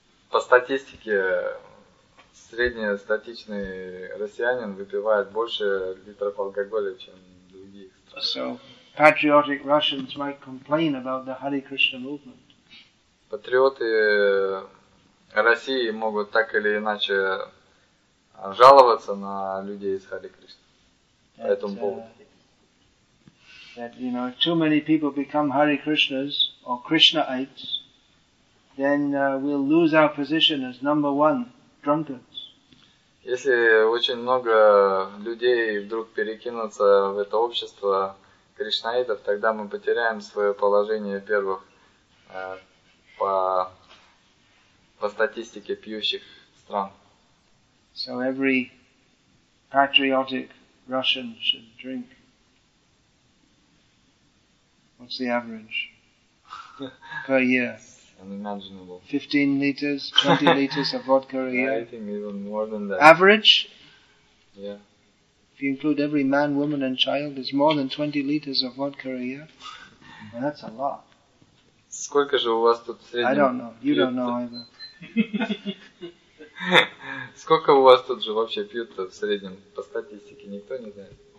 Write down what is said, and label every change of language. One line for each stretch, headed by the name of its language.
Russian: По статистике, среднестатичный россиянин выпивает больше литров алкоголя, чем другие.
English: So, patriotic Russians might complain about the Hare Krishna movement.
Russian: Патриоты России могут так или иначе жаловаться на людей из Hare Krishna по этому поводу.
English: That, you know, too many people become Hare Krishnas or Krishnaites, then we'll lose our position as number one drunkards.
Russian: Если очень много людей вдруг перекинутся в это общество кришнаитов, тогда мы потеряем свое положение первых по статистике пьющих стран.
English: So every patriotic Russian should drink. What's the average per year? Unimaginable. 15 liters, 20 liters of vodka a year? I think even more than that. Average? Yeah. If you include every man, woman and child, it's more than 20 liters of vodka a year. Well, that's a lot.
Russian: Сколько же у вас тут в среднем?
English: I don't know. You don't know either.
Russian: Сколько у вас тут же вообще пьют в среднем? По статистике никто не знает.